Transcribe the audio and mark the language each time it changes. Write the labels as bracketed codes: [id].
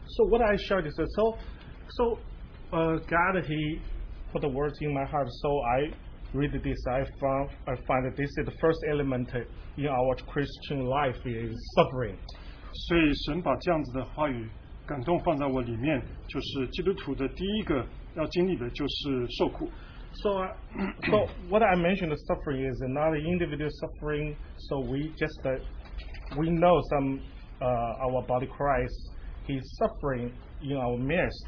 [en] So what I shared is that God he put the words in my heart, so I read this, I find that this is the first element in our Christian life is suffering. [zh] 所以神把这样子的话语 感动放在我里面，就是基督徒的第一个要经历的就是受苦。 [en] So what I mentioned the suffering is not individual suffering. So we know some our body Christ, he's suffering in our midst.